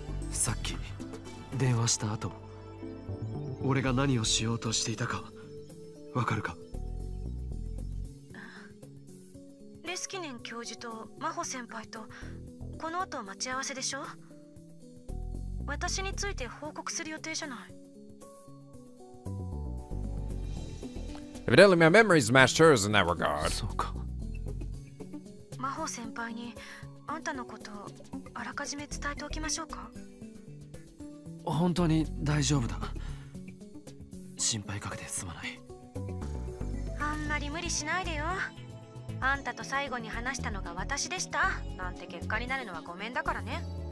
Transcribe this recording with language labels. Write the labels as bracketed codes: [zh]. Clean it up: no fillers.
[ja] さっき電話した後、俺が何をしようとしていたかわかるか？レスキネン教授と真帆先輩とこの後待ち合わせでしょ？私について報告する予定じゃない？ [en] Evidently my memory's matched hers in that regard. [ja] そうか。真帆先輩にあんたのことあらかじめ伝えておきましょうか？本当に大丈夫だ。心配かけてすまない。あんまり無理しないでよ。あんたと最後に話したのが私でしたなんて結果になるのはごめんだからね。